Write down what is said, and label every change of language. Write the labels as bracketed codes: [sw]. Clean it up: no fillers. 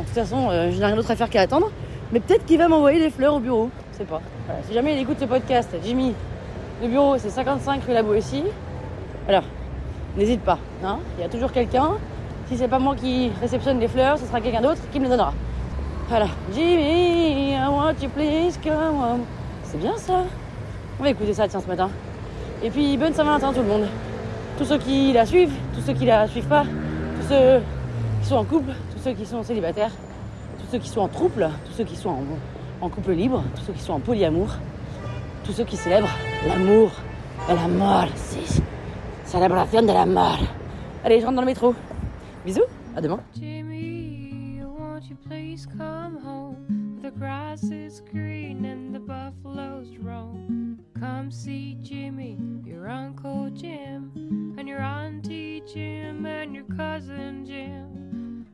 [fr] De toute façon, je n'ai rien d'autre à faire qu'à attendre. Mais peut-être qu'il va m'envoyer des fleurs au bureau. Je sais pas. Voilà. Si jamais il écoute ce podcast, Jimmy, le bureau, c'est 55 rue La Boétie. Alors, n'hésite pas. Hein. Il y a toujours quelqu'un. Si c'est pas moi qui réceptionne les fleurs, ce sera quelqu'un d'autre qui me les donnera. Voilà. [en] Jimmy, I want you please come home. [fr] C'est bien ça. On va écouter ça, tiens, ce matin. Et puis, bonne Saint-Valentin, tout le monde. Tous ceux qui la suivent, tous ceux qui la suivent pas, tous ceux qui sont en couple, tous ceux qui sont célibataires, tous ceux qui sont en couple, tous ceux qui sont en couple libre, tous ceux qui sont en polyamour, tous ceux qui célèbrent l'amour et la mort, si. Célébration de la mort. Allez, je rentre dans le métro. Bisous, à demain. [en] Jimmy, won't you please come home? The grass is green and the buffaloes roam. Come see Jimmy, your Uncle Jim, and your Auntie Jim, and your Cousin Jim.